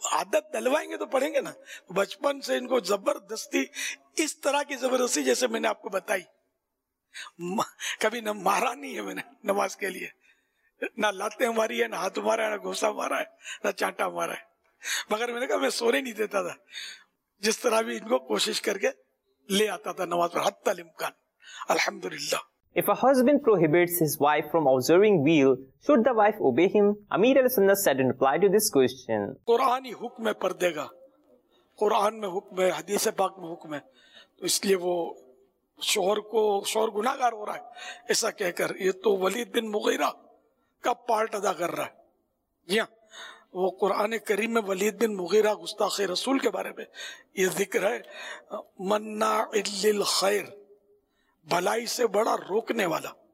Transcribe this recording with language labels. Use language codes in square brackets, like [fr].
[ur] عادت ڈلوائیں گے تو پڑھیں گے نا. بچپن سے ان کو زبردستی, اس طرح کی زبردستی جیسے میں نے آپ کو بتائی, کبھی نہ مارا نہیں ہے میں نے نماز کے لیے, نہ لاتے ماری ہے, نہ ہاتھ مارا ہے, نہ گھوسا مارا ہے, نہ چانٹا مارا ہے. مگر میں نے کہا میں سونے نہیں دیتا تھا, جس طرح بھی ان کو کوشش کر کے لے آتا تھا نماز پر, حتی الامکان. الحمدللہ. [en] If a husband prohibits his wife from observing veil, should the wife obey him? Amir al-Sunnat said in reply to this question. [ur] قرآن ہی حکم ہے پردے گا, قرآن میں حکم ہے, حدیث پاک میں حکم ہے. تو اس لیے وہ شوہر کو, شوہر گناہگار ہو رہا ہے ایسا کہہ کر, یہ تو ولید بن مغیرہ کا پارٹ ادا کر رہا ہے. جی ہاں, وہ قرآن کریم میں ولید بن مغیرہ گستاخ رسول کے بارے میں یہ ذکر ہے, [ar] مناع للخیر, [ur] بھلائی سے بڑا روکنے والا.